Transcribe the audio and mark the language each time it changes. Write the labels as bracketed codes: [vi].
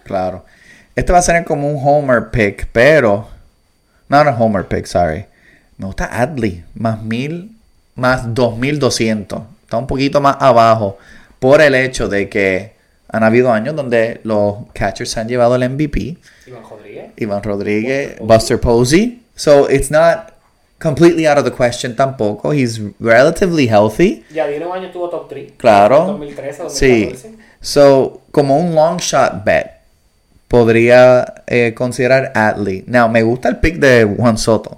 [es] Claro. Este va a ser como un homer pick, pero... No, no, homer pick, [en] sorry. [es] Me gusta Adley. Más 1,000, más 2,200. Está un poquito más abajo. Por el hecho de que han habido años donde los catchers han llevado el MVP. Iván Rodríguez. Buster Posey. [en] So, it's not completely out of the question [es] tampoco. [en] He's relatively healthy. [es] Ya dieron un año, tuvo top 3. Claro. 2013, 2014. Sí. So, como un [en] long shot bet, [es] podría considerar Adley. [en] Now, [es] me gusta el pick de Juan Soto.